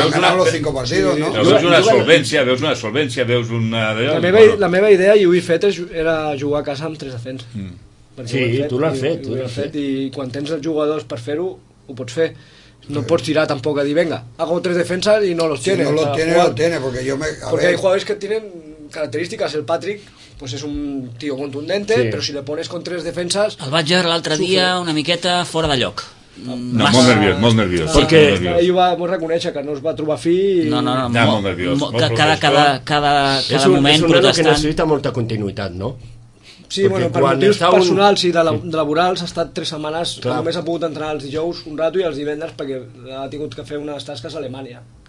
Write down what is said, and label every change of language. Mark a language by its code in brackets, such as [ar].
[ca] veus una... [es] Los cinco partidos, sí, no? [ca] Però veus una solvència, veus una... La meva idea, i ho he fet, era jugar a casa amb 3 defenses. Sí, tu l'has fet. I quan tens els jugadors per fer-ho, ho pots fer. No pots tirar tampoc a dir, [es] venga, hago 3 defensas y no los tiene. Si no los tiene, no tiene, porque yo me... Porque hay jugadores que tienen características. El Patrick, pues es un tío contundente, sí, pero si le pones con 3 defensas... [ca] El vaig veure l'altre dia una miqueta fora de lloc. No, molt nerviós, molt nerviós. Perquè ell va reconèixer que no es va trobar fi... No, molt nerviós. Cada moment protestant... És un que necessita molta continuïtat, no? Sí, bueno, per motius personals i de laborals ha estat 3 setmanes, clar, només ha pogut entrenar els dijous un rato i els divendres perquè ha tingut que fer unes tasques a Alemanya.